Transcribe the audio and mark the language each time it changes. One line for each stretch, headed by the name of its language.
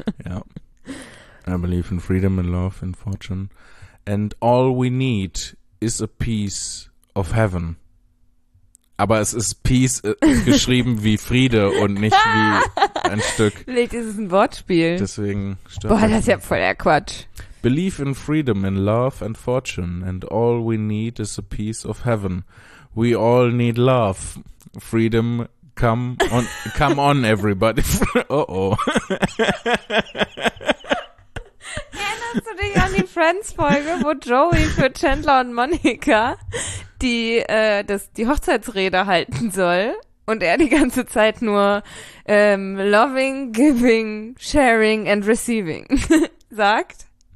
English: Ja. I believe in freedom, in love and fortune. And all we need is a piece of heaven.
German: Aber es ist Peace geschrieben wie Friede und nicht wie ein Stück. Vielleicht ist es ein Wortspiel. Deswegen stört das. Boah, das ist ja voll der Quatsch.
English: Believe in freedom, in love and fortune, and all we need is a piece of heaven. We all need love. Freedom, come on, everybody. Oh.
German: Erinnerst du dich an die Friends-Folge, wo Joey für Chandler und Monica die Hochzeitsrede halten soll und er die ganze Zeit nur
English: loving, giving, sharing and receiving
German: sagt?